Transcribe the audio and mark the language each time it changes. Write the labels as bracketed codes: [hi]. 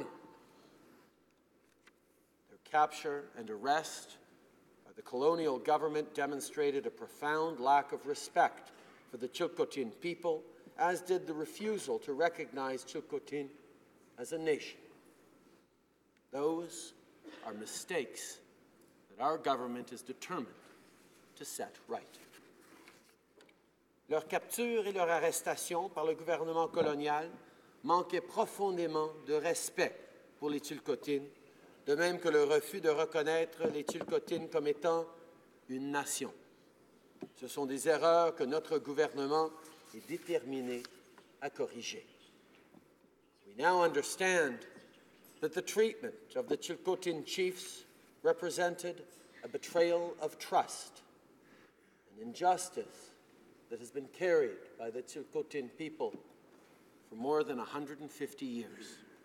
[en] Their capture and arrest by the colonial government demonstrated a profound lack of respect for the Tsilhqot’in people, as did the refusal to recognize Tsilhqot’in as a nation. Those are mistakes our government is determined to set right. [fr] Leur capture et leur arrestation par le gouvernement colonial manquaient profondément de respect pour les Tsilhqot’in, de même que le refus de reconnaître les Tsilhqot’in comme étant une nation. Ce sont des erreurs que notre gouvernement est déterminé à corriger. [en] We now understand that the treatment of the Tsilhqot’in chiefs represented a betrayal of trust, an injustice that has been carried by the Tsilhqot’in people for more than 150 years.